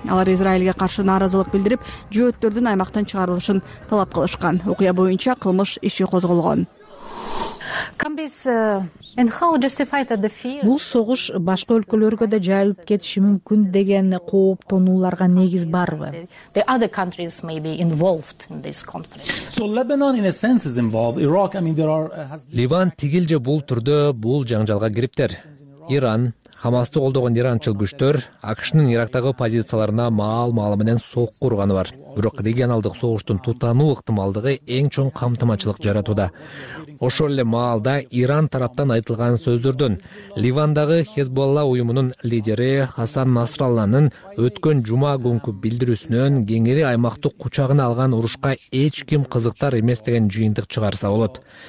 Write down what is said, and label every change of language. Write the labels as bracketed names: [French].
[Kyrgyz] Алар Израилге каршы нааразылык билдирип, жөөттөрдүн аймактан чыгарылышын талап кылышкан. Окуя боюнча кылмыш иши козголгон. Бул согуш башка өлкөлөргө да жайылып кетиши мүмкүн деген кооптонууларга негиз барбы? [English] The other countries may be involved in this conflict. So Lebanon in a sense is involved. Iraq, I mean there are [Kyrgyz] Ливан тигил же бул түрдө бул жаңжалга кириптер. Иран, Хамасты колдогон иранчыл күчтөр АКШнын Ирактагы позицияларына маал-маал менен соокку урганы бар. Бирок регионалдык согуштун тутануу ыктымалдыгы эң чоң камтымачылык жаратууда. Ошол эле маалда Иран тараптан айтылган сөздөрдөн Ливандагы Хезболла уюмунун лидери Хасан Насралланын өткөн жума күнкү билдирүүсүнөн кеңири аймактык кучагына алган урушка эч ким кызыктар эмес деген жыйынтык чыгарса болот.